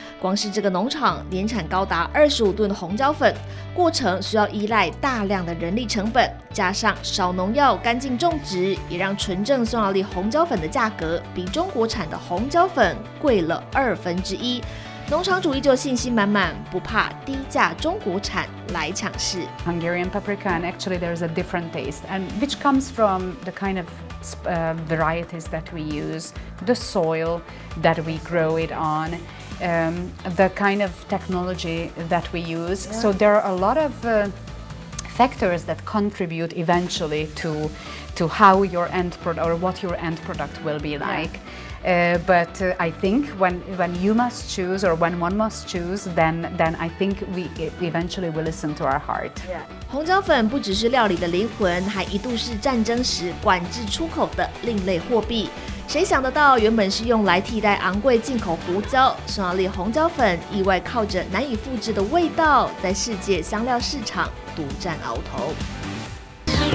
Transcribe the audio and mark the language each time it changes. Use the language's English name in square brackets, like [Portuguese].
[Chinese] 光是这个农场年产高达25吨红椒粉，过程需要依赖大量的人力成本，加上少农药、干净种植，也让纯正匈牙利红椒粉的价格比中国产的红椒粉贵了1/2。农场主依旧信心满满，不怕低价中国产来抢市。 [English] Hungarian paprika, and actually there is a different taste, and which comes from the kind ofvarieties that we use, the soil that we grow it on, the kind of technology that we use. Yeah. So there are a lot of factors that contribute eventually to how your end product or what your end product will be like. Yeah. But I think when you must choose or when one must choose, then I think we eventually will listen to our heart. Yeah. [Chinese] 红椒粉不只是料理的灵魂，还一度是战争时管制出口的另类货币。谁想得到，原本是用来替代昂贵进口胡椒，匈牙利红椒粉意外靠着难以复制的味道，在世界香料市场独占鳌头。